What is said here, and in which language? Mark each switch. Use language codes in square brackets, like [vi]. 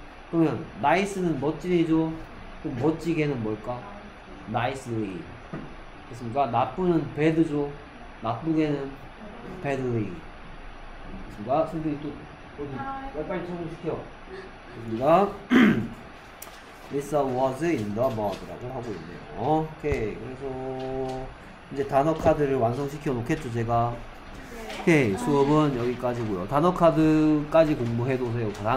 [ko] 그러면 nice는 멋지죠? 그럼 멋지게는 뭘까? nicely. 됐습니까? 나쁘는 bad죠. 나쁘게는 badly. 됐습니까? 선생님 또, 빨리 적응시켜. 됐습니까? [en] Lisa was in the mud [ko] 라고 하고 있네요. 오케이. 그래서, 이제 단어 카드를 완성시켜 놓겠죠, 제가. 오케이. 수업은 여기까지고요. 단어 카드까지 공부해 두세요.